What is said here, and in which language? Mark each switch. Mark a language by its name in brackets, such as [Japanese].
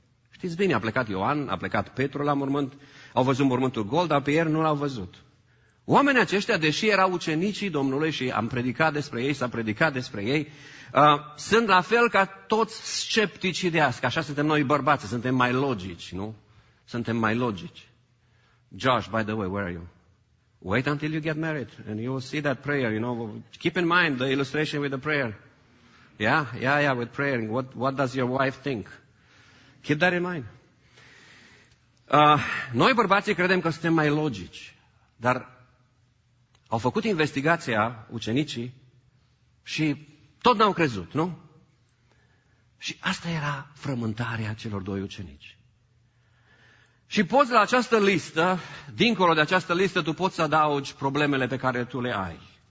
[Romanian] Știți bine, a plecat Ioan, a plecat Petru la mormânt, au văzut mormântul gol, dar pe el nu l-au văzut. Oamenii aceștia, deși erau ucenicii Domnului și am predicat despre ei, s-a predicat despre ei, sunt la fel ca toți scepticii de azi, așa suntem noi bărbați, suntem mai logici, nu? Suntem mai logici. [English] Josh, by the way, where are you? Wait until you get married and you will see that prayer, you know. Keep in mind the illustration with the prayer. Yeah, with prayer. What does your wife think? Keep that in mind. [Romanian] Noi bărbații credem că suntem mai logici, dar au făcut investigația ucenicii și tot n-au crezut, nu? Și asta era frământarea celor doi ucenici. Și poți la această listă, dincolo de această listă, tu poți să adaugi problemele pe care tu le ai.